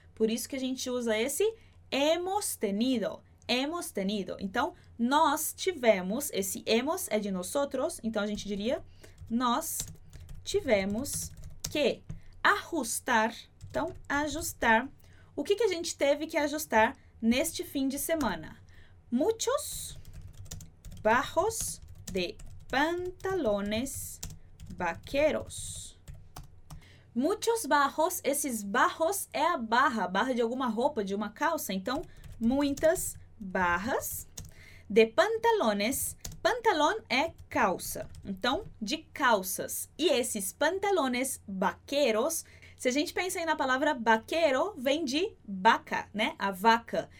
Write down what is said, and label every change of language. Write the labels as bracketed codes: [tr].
[pt] Por isso que a gente usa esse [es] hemos tenido. Hemos tenido. [pt] Então, nós tivemos, esse hemos é de nosotros, então a gente diria, nós tivemos que ajustar, então, ajustar. O que a gente teve que ajustar neste fim de semana? [es] Muchos bajos de pantalones vaqueros. Muchos bajos, [pt] esses bajos é a barra de alguma roupa, de uma calça. Então, muitas barras de pantalones. Pantalón é calça, então de calças. E esses [es] pantalones vaqueros, [pt] se a gente pensa aí na palavra vaqueiro, vem de vaca, né? A vaca.